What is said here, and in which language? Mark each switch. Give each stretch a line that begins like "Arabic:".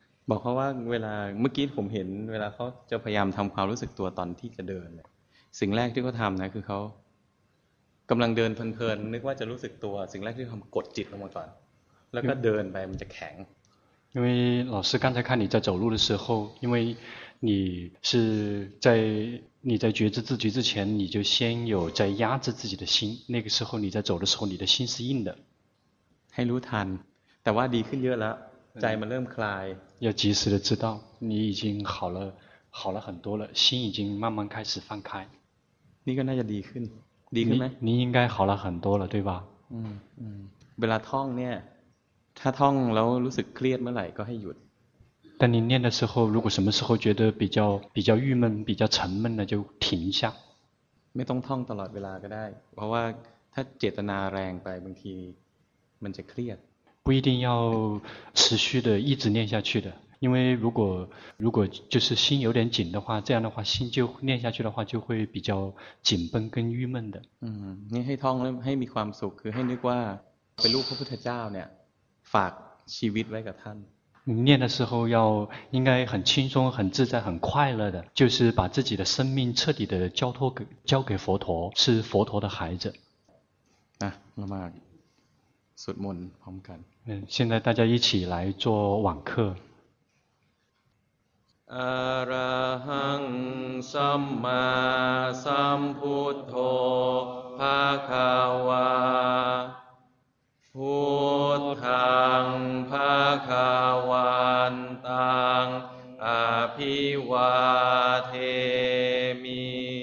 Thai: บอกเขาว่าเวลาเมื่อกี้ผมเห็นเวลาเขาจะพยายามทำความรู้สึกตัวตอนที่จะเดินสิ่งแรกที่เขาทำนะคือเขากำลังเดินเพลินๆนึกว่าจะรู้สึกตัวสิ่งแรกที่ทำกดจิตลงมาก่อนแล้วก็เดินไปมันจะแข็ง
Chinese: 因为老师刚才看你在走路的时候因为你是在你在觉知自己之前你就先有在压制自己的心那个时候你在走的时候你的心是硬的
Thai: ให้รู้ทันแต่ว่าดีขึ้นเยอะแล้วใจมันเริ่มคลาย
Chinese: 要及时的知道你已经好了很多了心已经慢慢开始放开
Thai: นี่ก็น่าจะดีขึ้นดีขึ้นไหม
Chinese: 你应该好了很多了对吧
Thai: เวลาท่องเนี่ยถ้าท่องแล้วรู้สึกเครียดเมื่อไหร่ก็ให้หยุด
Chinese: 但你念的时候如果什么时候觉得比较郁闷比较沉闷了就停下
Thai: ไม่ต้องท่องตลอดเวลาก็ได้เพราะว่าถ้าเจตนาแรงไปบางทีมันจะเครียด
Chinese: 不一定要持续的一直念下去的因为如果就是心有点紧的话这样的话心就念下去的话就会比较紧绷跟郁闷的
Thai: นี่ให้ท่องแล้วให้มีความสุขคือให้นึกว่าเป็นลูกพระพุทธเจ้าเนี่ยฝากชีวิตไว้กับท่าน
Chinese: 念的时候要应该很轻松很自在很快乐的就是把自己的生命彻底的交给佛陀是佛陀的孩子
Thai: นะมาสวดมนต์พร้อมกัน
Chinese: 现在大家一起来做网课
Pali: อรหังสัมมาสัมพุทโธภาคาวาพุทธังภาคาวันตังอภิวาเทมิ